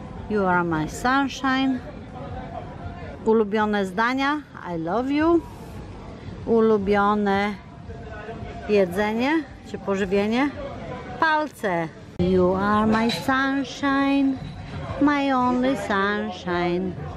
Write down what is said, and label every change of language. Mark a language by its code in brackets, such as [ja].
[en] You are my sunshine. [pl] Ulubione zdania. [en] I love you. [pl] ulubione jedzenie czy pożywienie? Palce. [en] You are my sunshine, my only sunshine.